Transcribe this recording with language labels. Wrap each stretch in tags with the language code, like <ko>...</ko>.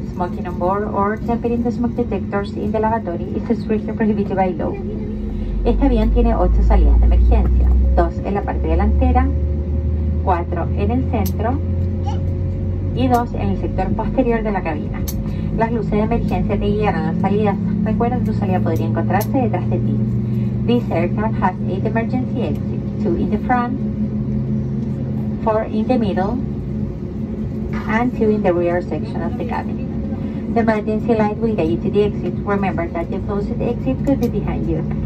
<en>Smoking on board or tempering the smoke detectors in the lavatory is strictly prohibited by law.</en> <es>Este avión tiene 8 salidas de emergencia, 2 en la parte delantera, 4 en el centro y 2 en el sector posterior de la cabina. Las luces de emergencia te guiarán a las salidas. Recuerda que tu salida podría encontrarse detrás de ti.</es> <en>This aircraft has 8 emergency exits, 2 in the front, 4 in the middle and 2 in the rear section of the cabin. The emergency light will guide you to the exit. Remember that the closest exit could be behind you.</en>